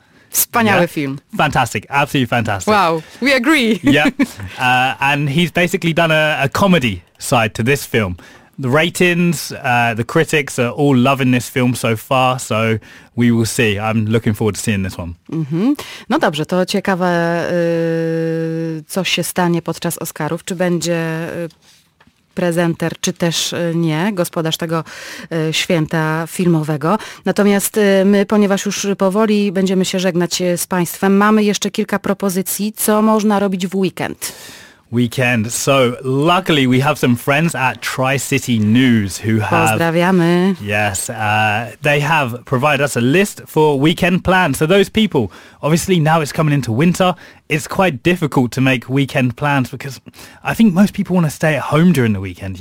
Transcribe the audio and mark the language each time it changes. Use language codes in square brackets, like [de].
[pl] Wspaniały yeah. film. [en] Fantastic. Absolutely fantastic. Wow. We agree. Yeah. And he's basically done a comedy side to this film. The ratings, the critics are all loving this film so far, so we will see. I'm looking forward to seeing this one. Mm-hmm. [pl] No dobrze, to ciekawe, co się stanie podczas Oscarów. Czy będzie prezenter, czy też nie, gospodarz tego święta filmowego. Natomiast my, ponieważ już powoli będziemy się żegnać z Państwem, mamy jeszcze kilka propozycji, co można robić w weekend. [en] Weekend. So luckily we have some friends at Tri-City News who have... [pl] Pozdrawiamy. [en] Yes. They have provided us a list for weekend plans. So those people, obviously now it's coming into winter, it's quite difficult to make weekend plans because I think most people want to stay at home during the weekend.